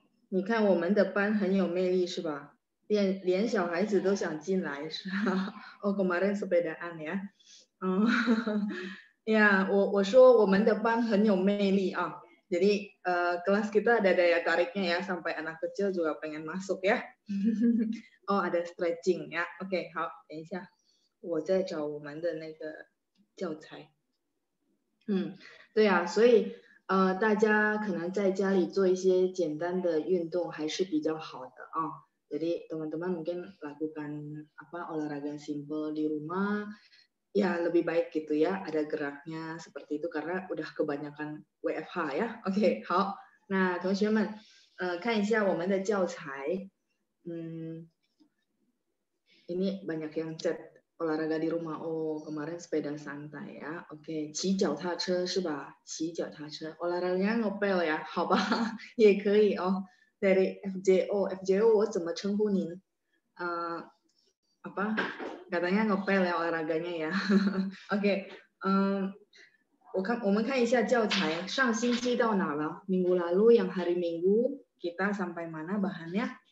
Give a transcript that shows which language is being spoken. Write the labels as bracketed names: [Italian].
[Chinese] 你看我们的班很有魅力是吧？连小孩子都想进来是吧？哦， 그말은서베다안해 嗯，呀，我说我们的班很有魅力啊。 [Indonesian] Jadi kelas kita ada daya tariknya ya sampai anak kecil juga pengen masuk ya. Oh ada stretching ya. [Chinese] Oke, okay, 好，等一下，我在找我们的那个教材。对啊，所以大家可能在家里做一些简单的运动还是比较好的啊。 [Indonesian] Jadi teman-teman mungkin lakukan apa olahraga simple di rumah ya lebih baik gitu ya ada geraknya seperti itu karena udah kebanyakan WFH ya. [Chinese] Oke, okay, 好，那同学们，看一下我们的教材。 [Indonesian] Ini banyak yang chat olahraga di rumah. Oh, kemarin sepeda santai ya. Oke, okay. [Chinese] 骑脚踏车是吧？骑脚踏车 [Indonesian] olahraga ngepel ya. [Chinese] 好吧，也可以哦。 [Indonesian] Dari FJO [Chinese] 我怎么称呼您？ [Indonesian] apa katanya ngepel ya olahraganya ya. [Chinese] Oke, okay. 我们看一下教材。上星期到哪了？ [Indonesian] Minggu lalu yang hari Minggu kita sampai mana bahannya？